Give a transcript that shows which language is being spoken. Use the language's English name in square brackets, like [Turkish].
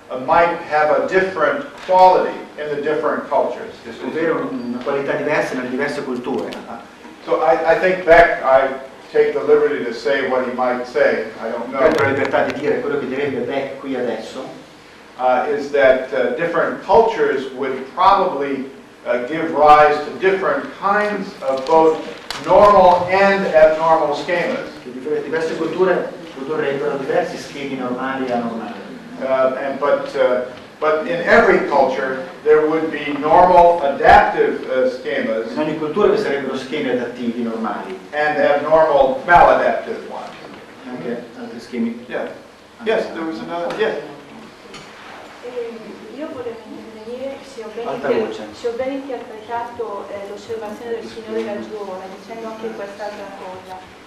[English] might have a different quality in the different cultures. [Italian] Ovvero una qualità diversa nelle diverse culture. [English] So I think Beck, I take the liberty to say what he might say. I don't know. [Italian] Prendo la libertà di dire quello che direbbe Beck qui adesso. [English] Is that different cultures would probably give rise to different kinds of both normal and abnormal schemas. [Italian] Diverse culture produrrebbero diversi schemi normali e anormali. [English] But in every culture there would be normal adaptive schemas. [Italian] In ogni cultura ci sarebbero schemi adattivi normali. [English] And abnormal maladaptive ones. [Italian] Okay. Altri schemi. [English] Yeah. Yes, there was another. Yeah. [Italian] Io volevo intervenire se ho ben interpretato l'osservazione del signore Gaggiola dicendo anche quest'altra cosa.